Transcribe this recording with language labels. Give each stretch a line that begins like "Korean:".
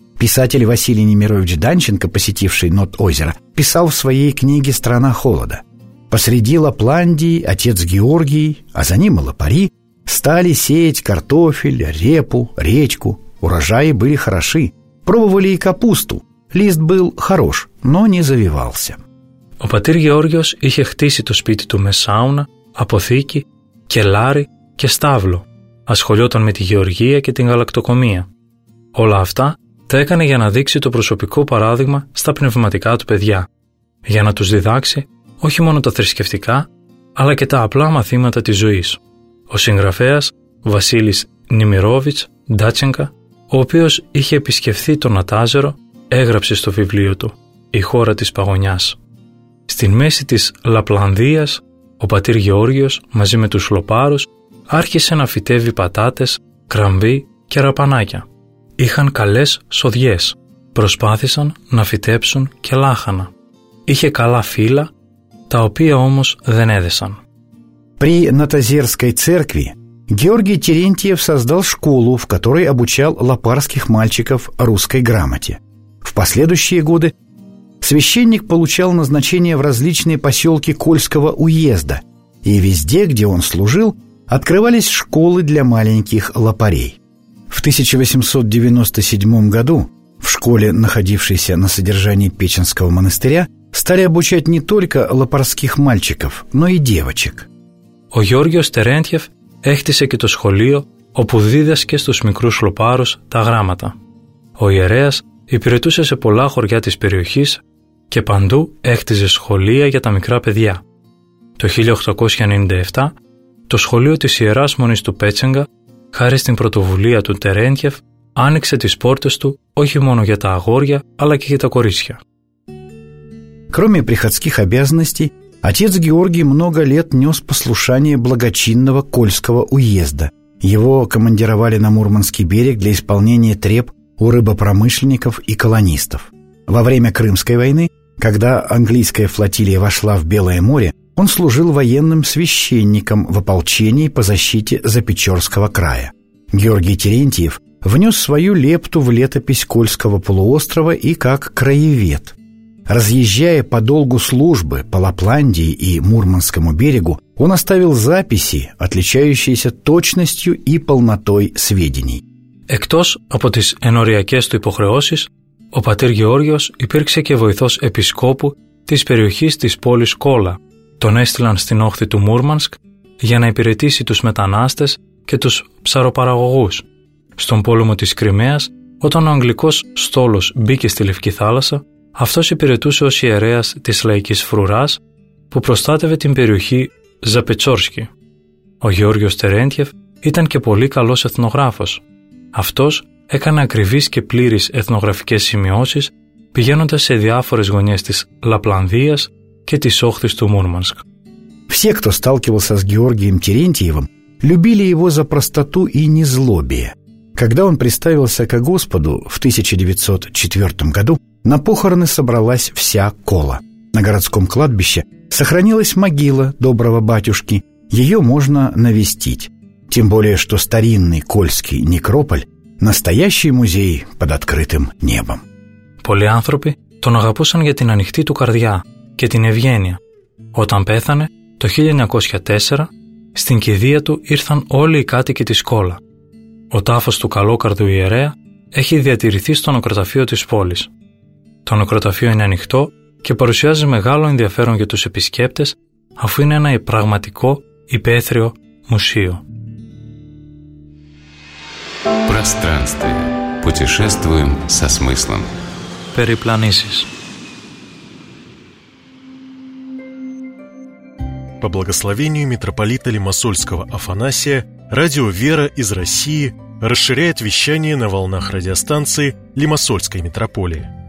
Russian: Писатель Василий Немирович Данченко, посетивший Нотозеро, писал в своей книге «Страна холода». «Посреди Лапландии отец Георгий, а за ним и Лапари, стали сеять картофель, репу, речку. Урожаи были хороши. Пробовали и капусту. Лист был хорош, но не завивался».
Greek: Ο πατήρ Γεώργιος είχε χτίσει το σπίτι του με σάουνα, αποθήκη, κελάρι και στάβλο. Ασχολιόταν με τη γεωργία και την γαλακτοκομεία. Όλα αυτά τα έκανε για να δείξει το προσωπικό παράδειγμα στα πνευματικά του παιδιά. Για να τους διδάξει όχι μόνο τα θρησκευτικά, αλλά και τα απλά μαθήματα της ζωής. Ο συγγραφέας Βασίλης Νημιρόβιτς Ντάτσενκα, ο οποίος είχε επισκεφθεί τον Νατάζερο, έγραψε στο βιβλίο του «Η χώρα της παγωνιάς». Στην μέση της Λαπλανδίας, ο πατήρ Γεώργιος μαζί με τους λοπάρους άρχισε να φυτεύει πατάτες, κραμβί και ραπανάκια. Είχαν καλές σοδιές. Προσπάθησαν να φυτέψουν και λάχανα. Είχε καλά φύλλα, τα οποία όμως δεν έδεσαν.
Russian: При Нотозерской церкви Георгий Терентьев создал школу, в которой обучал лопарских мальчиков русской грамоте. В последующие годы священник получал назначения в различные поселки Кольского уезда, и везде, где он служил, открывались школы для маленьких лопарей. В 1897 году в школе, находившейся на содержании Печенского монастыря, стали обучать не только лопарских мальчиков, но и девочек.
Greek: Ο Γεώργιος Τερέντιεφ έχτισε και το σχολείο όπου δίδασκε στους μικρούς λοπάρους τα γράμματα. Ο ιερέας υπηρετούσε σε πολλά χωριά της περιοχής και παντού έχτιζε σχολεία για τα μικρά παιδιά. Το 1897 το σχολείο της Ιεράς Μονής του Πέτσενγκα, χάρη στην πρωτοβουλία του Τερέντιεφ, άνοιξε τις πόρτες του όχι μόνο για τα αγόρια αλλά και για τα κορίτσια.
Russian: Кроме приходских обязанностей, отец Георгий много лет нес послушание благочинного Кольского уезда. Его командировали на Мурманский берег для исполнения треб у рыбопромышленников и колонистов. Во время Крымской войны, когда английская флотилия вошла в Белое море, он служил военным священником в ополчении по защите Запечорского края. Георгий Терентьев внес свою лепту в летопись Кольского полуострова и как краевед. Разъезжая по долгу службы по Лапландии и Мурманскому берегу, он оставил записи, отличающиеся точностью и полнотой сведений.
Greek: Εκτός από τις ενοριακές του υποχρεώσεις, ο πατήρ Γεώργιος υπήρξε και βοηθός επισκόπου της περιοχής της πόλης Κόλα. Τον έστειλαν στην όχθη του Μούρμανσκ για να υπηρετήσει τους μετανάστες και τους ψαροπαραγωγούς. Στον πόλεμο της Κρυμαίας, όταν ο αγγλικός στόλος μπήκε στη Λευκή Θάλασσα, αυτός υπηρετούσε ως ιερέας της Λαϊκής Φρουράς που προστάτευε την περιοχή Ζαπετσόρσκι. Ο Γεώργιος Τερέντιεφ ήταν και πολύ καλός εθνογράφος. Αυτός έκανε ακριβείς και πλήρεις εθνογραφικές σημειώσεις πηγαίνοντας σε διάφορες γωνιές της Λαπλανδίας και της όχθης του Μούρμανσκ.
Russian: Все, кто сталкивался с Георгием Терентьевым, любили его за простоту и незлобие. Когда он представился ко Господу в 1904 году, на похороны собралась вся Кола. На городском кладбище сохранилась могила доброго батюшки. Ее можно навестить. Тем более, что старинный Кольский некрополь – настоящий музей под открытым небом.
Greek: Πολλοί άνθρωποι τον αγαπούσαν για την ανοιχτή του καρδιά και την ευγένεια. Όταν πέθανε, το 1904, στην κηδεία του ήρθαν όλοι οι κάτοικοι της Κόλα. Ο τάφος του καλόκαρδου ιερέα έχει διατηρηθεί στο νεκροταφείο της πόλης. Το νεκροταφείο είναι ανοιχτό και παρουσιάζει μεγάλο ενδιαφέρον για τους επισκέπτες, αφού είναι ένα πραγματικό υπαίθριο μουσείο.
Russian: Пространстве. Путешествуем со смыслом.
Greek: Перепланисис.
Russian: По благословению митрополита Лимассольского Афанасия, радио «Вера» из России расширяет вещание на волнах радиостанции Лимассольской митрополии.